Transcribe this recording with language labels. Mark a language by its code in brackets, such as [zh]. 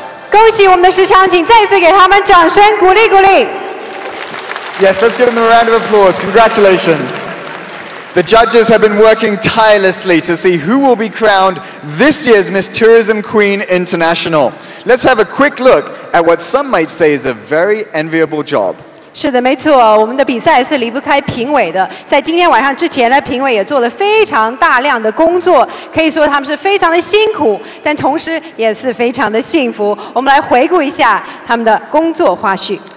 [zh] 恭喜我们的时长，请再次给他们掌声鼓励鼓励。 [en] Yes, let's give them a round of applause. Congratulations. The judges have been working tirelessly to see who will be crowned this year's Miss Tourism Queen International. Let's have a quick look at what some might say is a very enviable job. [zh] 是的，没错，我们的比赛是离不开评委的。在今天晚上之前呢，评委也做了非常大量的工作，可以说他们是非常的辛苦，但同时也是非常的幸福。我们来回顾一下他们的工作花絮，